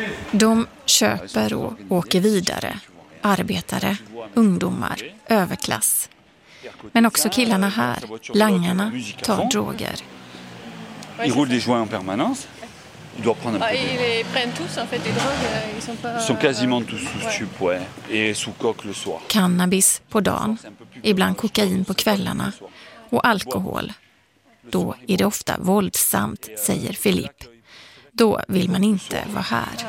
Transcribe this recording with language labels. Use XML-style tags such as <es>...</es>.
<sv>De köper och åker vidare. Arbetare, ungdomar, överklass. Men också killarna här, langarna, tar droger.</sv> <fr>Ils roulent des joints en permanence. Ils doivent prendre un peu. Ils les prennent tous en fait des drogues, ils sont pas. Ils sont quasiment tous sous stup, ouais. Et sous coke le soir.</fr> <sv>Cannabis på dagen, ibland kokain på kvällarna och alkohol. Då är det ofta våldsamt, säger Philippe. Då vill man inte vara här.</sv>